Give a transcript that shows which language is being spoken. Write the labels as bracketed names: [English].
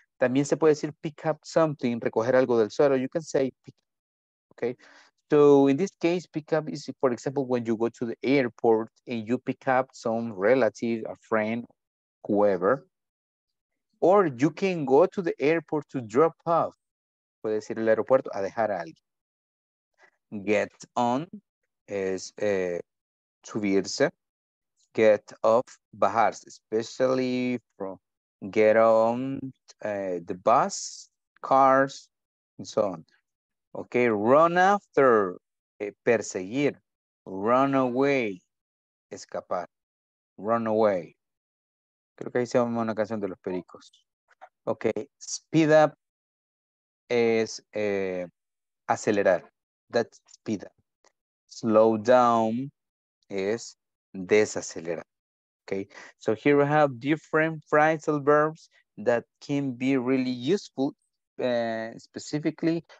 [Spanish] También se puede decir [English] pick up something, [Spanish] recoger algo del suelo. [English] You can say pick up, okay? So in this case, pick up is, for example, when you go to the airport and you pick up some relative, a friend, whoever. Or you can go to the airport to drop off. [Spanish] Puede decir el aeropuerto a dejar a alguien. [English] Get on [Spanish] es subirse. [English] Get off, [Spanish] bajarse. [English] Especially from get on the bus, cars, and so on. Okay, run after, perseguir, run away, escapar, run away. [Spanish] Creo que ahí se llama una canción de los Pericos. [English] Okay, speed up [Spanish] es acelerar, [English] that's speed up. Slow down [Spanish] es desacelerar. [English] Okay, so here we have different phrasal verbs that can be really useful specifically.